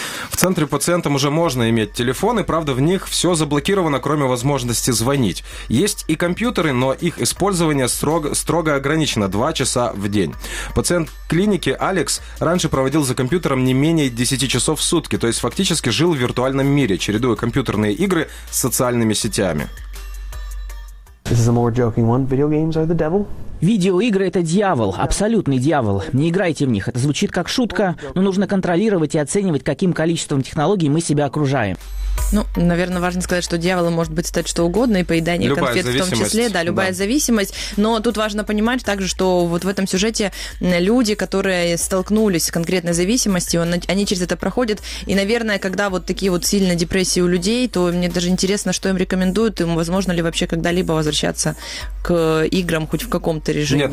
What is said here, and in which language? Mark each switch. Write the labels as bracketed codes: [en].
[ru] В центре пациентам уже можно иметь телефоны, правда, в них все заблокировано, кроме возможности звонить. Есть и компьютеры, но их использование строго ограничено 2 часа в день. Пациент клиники Алекс раньше проводил за компьютером не менее 10 часов в сутки, то есть фактически жил в виртуальном мире, чередуя компьютерные игры с социальными сетями. [en] This is a more joking one. Video games are the devil. [ru] Видеоигры – это дьявол, абсолютный дьявол. Не играйте в них. Это звучит как шутка, но нужно контролировать и оценивать, каким количеством технологий мы себя окружаем. Ну, наверное, важно сказать, что дьяволом может быть стать что угодно, и поедание любая конфет в том числе, да, любая да. зависимость. Но тут важно понимать также, что вот в этом сюжете люди, которые столкнулись с конкретной зависимостью, они через это проходят, и, наверное, когда вот такие вот сильные депрессии у людей, то мне даже интересно, что им рекомендуют, им возможно ли вообще когда-либо возвращаться к играм хоть в каком-то режиме.